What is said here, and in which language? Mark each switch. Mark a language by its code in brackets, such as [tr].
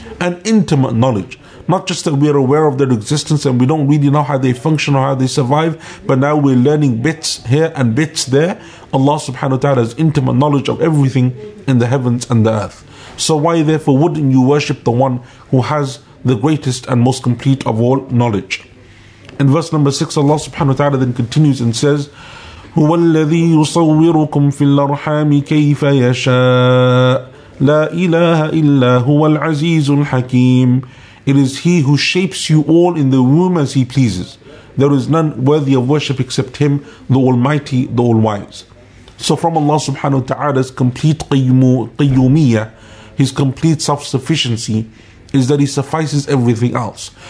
[en] An intimate knowledge. Not just that we are aware of their existence and we don't really know how they function or how they survive, but now we're learning bits here and bits there. Allah subhanahu wa ta'ala has intimate knowledge of everything in the heavens and the earth. So why therefore wouldn't you worship the one who has the greatest and most complete of all knowledge? In verse number 6, Allah subhanahu wa ta'ala then continues and says, [ar] هو الذي يصوركم في الأرحام كيف يشاء لا إله إلا هو العزيز الحكيم. [en] It is he who shapes you all in the womb as he pleases. There is none worthy of worship except him, the Almighty, the All-Wise. So from Allah subhanahu wa ta'ala's complete qayyumiyyah, his complete self-sufficiency, is that he suffices everything else.